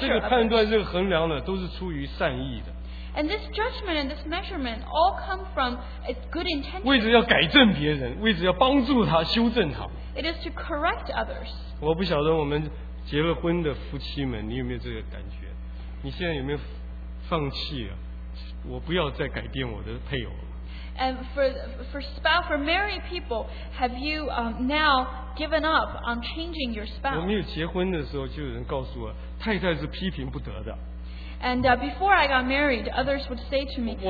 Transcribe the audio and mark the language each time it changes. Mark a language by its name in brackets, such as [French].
[Chinese] 这个判断、这个衡量呢，都是出于善意的。 [English] And this judgment and this measurement all come from a good intention. [Chinese] 为着要改正别人，为着要帮助他、修正他。 [English] It is to correct others. [Chinese] 我不晓得我们结了婚的夫妻们，你有没有这个感觉？你现在有没有放弃啊？我不要再改变我的配偶了。 [English] And for married people, have you now given up on changing your spouse? [Chinese] 我没有结婚的时候，就有人告诉我，太太是批评不得的。 [English] And before I got married, others would say to me,